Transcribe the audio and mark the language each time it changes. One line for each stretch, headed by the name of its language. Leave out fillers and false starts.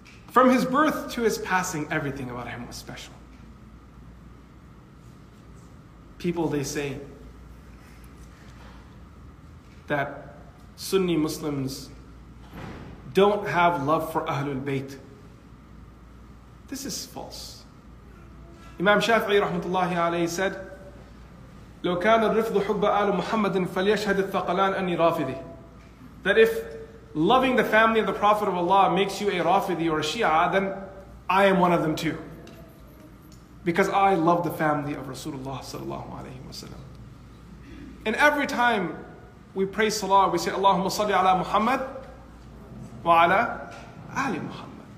English: From his birth to his passing, everything about him was special. People, they say that Sunni Muslims don't have love for Ahlul Bayt. This is false. Imam Shafi'i rahmatullahi alayhi said,
Arabic: لو كان الرفض حب آل محمد فليشهد الثقلان أني رافضي.
English: That if loving the family of the Prophet of Allah makes you a Rafidi or a Shia, then I am one of them too. Because I love the family of Rasulullah sallallahu alayhi wa sallam. And every time we pray salah, we say,
Arabic: Allahumma salli ala Muhammad wa ala Ali Muhammad.